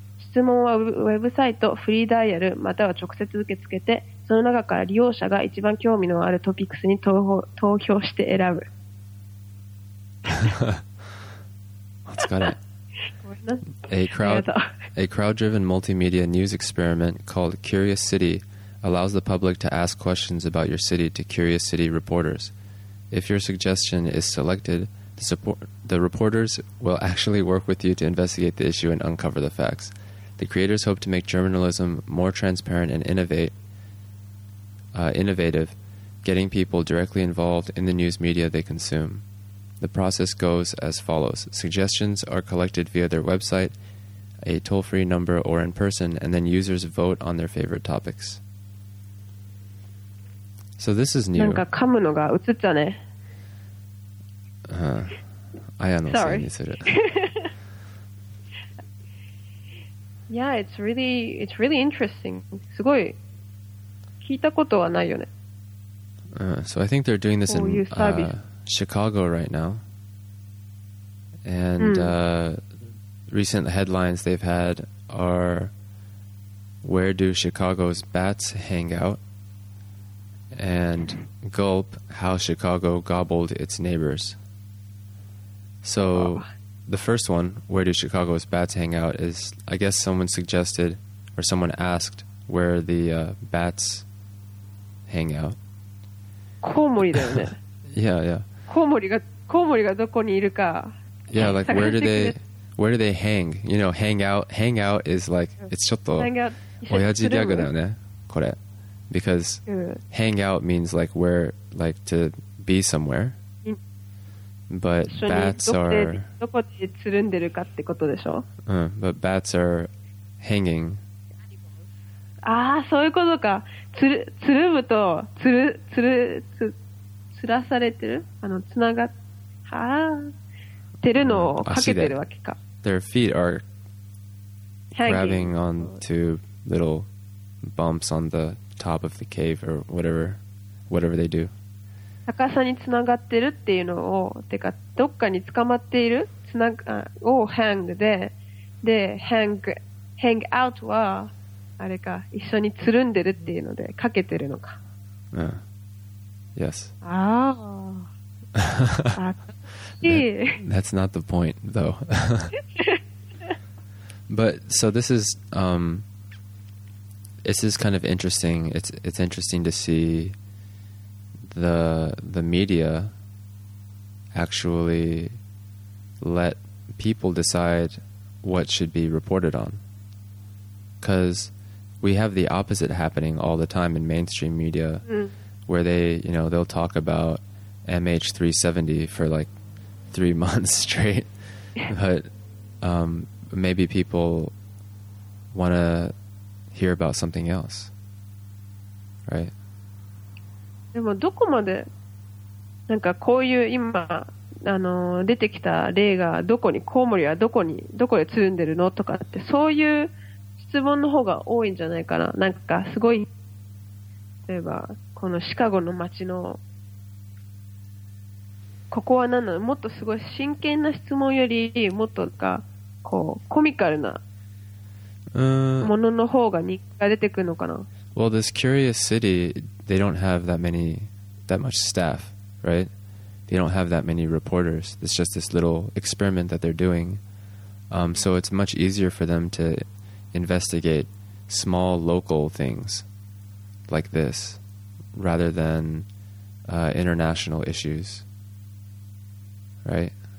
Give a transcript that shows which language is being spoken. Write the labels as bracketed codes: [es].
[ja] 質問はウェブサイト、フリーダイヤル、または直接受け付けて、その中から利用者が一番興味のあるトピックスに投票して選ぶ。お疲れ。 [en] A crowd-driven multimedia news experiment called Curious City allows the public to ask questions about your city to Curious City reporters. If your suggestion is selected, the reporters will actually work with you to investigate the issue and uncover the facts. The creators hope to make journalism more transparent and innovative, getting people directly involved in the news media they consume. The process goes as follows. Suggestions are collected via their website, a toll-free number, or in person, and then users vote on their favorite topics. So this is new. [ja] なんか噛むのが映ったね。あやのせいにする。 [en] Yeah, it's really interesting. [ja] すごい。聞いたことはないよね。 [en] So I think they're doing this in Chicago right now. And、recent headlines they've had are Where do Chicago's bats hang out? And gulp how Chicago gobbled its neighbors. So, the first one, where do Chicago's bats hang out, is I guess someone suggested or someone asked where the、bats hang out. [ja] コウモリだよね。 [en] Yeah, yeah. [ja] コウモリがどこにいるか。 [en] Yeah, like where do they hang? You know, hang out is like, it's [ja] ちょっと親父ギャグだよね、これ。 [en] Because hang out means like where, like to be somewhere. But bats are. [ja] どこでつるんでるかってことでしょ。 [en] But bats are hanging. [ja] ああ、そういうことか。つるむとつらされてる、つながってるのをかけてるわけか。 [en] Their feet are grabbing on to little bumps on the. Top of the cave or whatever they do. [ja] 高さにつながってるっていうのを、てかどっかに捕まっているつなが、を hang で hang out はあれか、一緒につるんでるっていうのでかけてるのか。 [en] Yes. That's not the point though. But so this is This is kind of interesting. It's interesting to see the media actually let people decide what should be reported on. Because we have the opposite happening all the time in mainstream media, where they, you know, they'll talk about MH370 for like 3 months straight. But maybe people want to hear about something else. Right? [ja] でもどこまでなんかこういう今出てきた例がどこにコウモリはどこで住んでるのとかってそういう質問の方が多いんじゃないかな。なんかすごい例えばこのシカゴの街のここは何なの、もっとすごい真剣な質問よりもっとなんかこうコミカルなものの方が人気が出てくるのかな。 [en] Well, this curious city, they don't have that much staff, right? They don't have that many reporters. It's just this little experiment that they're doing. So it's much easier for them to investigate small local things like this rather than international issues, right?